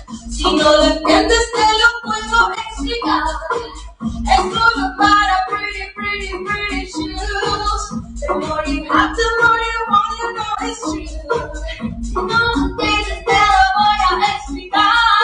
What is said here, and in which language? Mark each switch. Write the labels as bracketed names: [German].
[Spanish] Si no lo entiendes, te lo puedo explicar. Es solo para [English] pretty, pretty, pretty shoes. The more you have, the more you want, you know it's true. [Spanish] Si no lo entiendes, te lo voy a explicar.